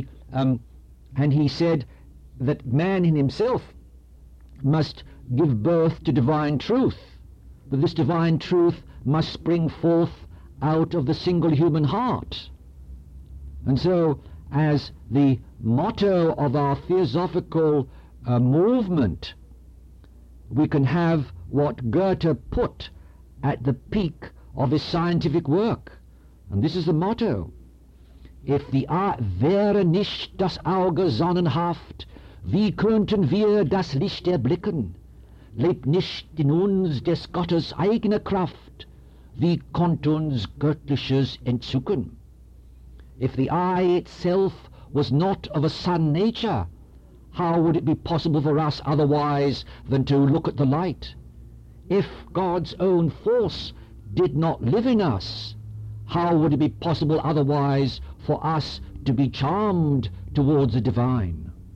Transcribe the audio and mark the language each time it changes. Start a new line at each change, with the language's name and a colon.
English: And he said that man in himself must give birth to divine truth, that this divine truth must spring forth out of the single human heart. And so, as the motto of our theosophical movement, we can have what Goethe put at the peak of his scientific work. And this is the motto: if the
German: wäre nicht das Auge sonnenhaft, wie könnten wir das Licht erblicken? Lebt nicht in uns des Gottes eigene Kraft, wie konnt uns göttliches entzücken?
English: If the eye itself was not of a sun nature, how would it be possible for us otherwise than to look at the light? If God's own force did not live in us, how would it be possible otherwise for us to be charmed towards the divine?